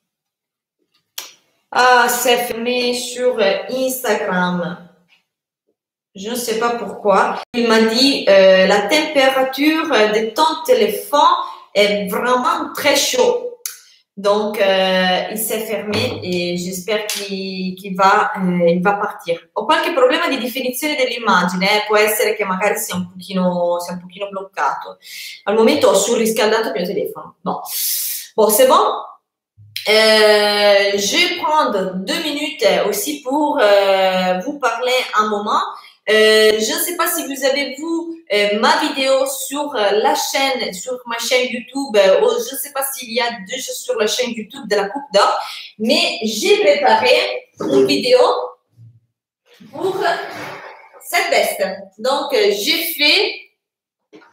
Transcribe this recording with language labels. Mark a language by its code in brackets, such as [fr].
[fr] Oh. Ah, c'est fermé sur Instagram. Je ne sais pas pourquoi. Il m'a dit la température de ton téléphone est vraiment très chaud. Donc, il s'est fermé et j'espère qu'il va partir. [it] Ho qualche problema di definizione dell'immagine, può essere che magari sia un pochino bloccato. Al momento ho surriscaldato il mio telefono. [fr] Bon. Bon, c'est bon. Je vais prendre 2 minutes aussi pour vous parler un moment. Je ne sais pas si vous avez vu ma vidéo sur la chaîne, sur ma chaîne YouTube, ou je ne sais pas s'il y a deux choses sur la chaîne YouTube de la Coupe d'Or, mais j'ai préparé une vidéo pour cette veste. Donc, j'ai fait